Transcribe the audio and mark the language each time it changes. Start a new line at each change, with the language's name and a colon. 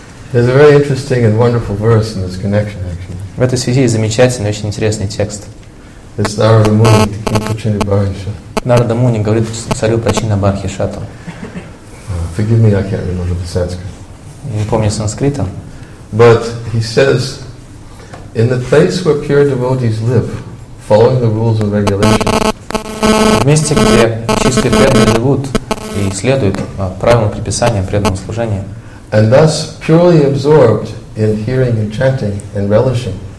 English: There's a very interesting and wonderful verse in this connection, actually.
Russian: В этой связи есть замечательный, очень интересный текст.
English: It's Narada Muni, King Prachinna Bharhisha.
Russian: Narada Muni говорит царю Прачинна Бархишату.
English: Forgive me, I can't remember the Sanskrit.
Russian: Я не помню санскрита.
English: But he says, in the place where pure devotees live, following the rules and regulations.
Russian: В месте, где чистые преданные живут и следуют правилам предписания преданного служения.
English: And thus purely absorbed in hearing and chanting and relishing.